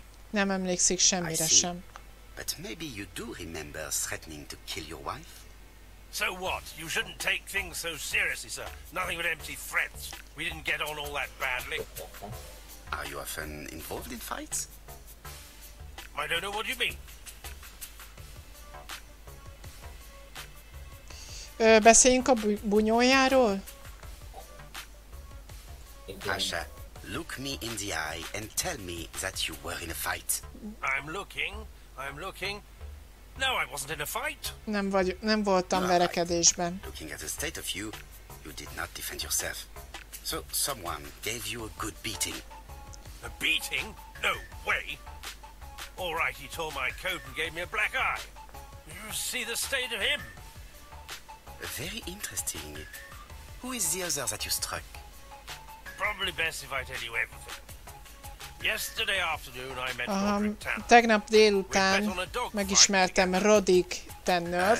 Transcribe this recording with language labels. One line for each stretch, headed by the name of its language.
Hungarian: Nem emlékszik semmire sem.
English: But maybe you do remember threatening to kill your wife? So what? You shouldn't take things so seriously, sir. Nothing but empty threats. We didn't get on all that badly. Are you often involved in fights? I don't know what you mean.
Hungarian: Beszéljünk a bunyójáról?
English: Asha, look me in the eye and tell me that you were in a fight. I'm looking. No, I wasn't in a fight.
Hungarian: Nem voltam verekedésben.
English: Looking at the state of you, you did not defend yourself. So someone gave you a good beating. A beating? No way. All right, he tore my coat and gave me a black eye. You see the state of him. Very interesting. Who is the other that you struck? Probably best if I tell you everything. Yesterday afternoon I met
Hungarian: Tegnap délután megismertem Roddick Tannert.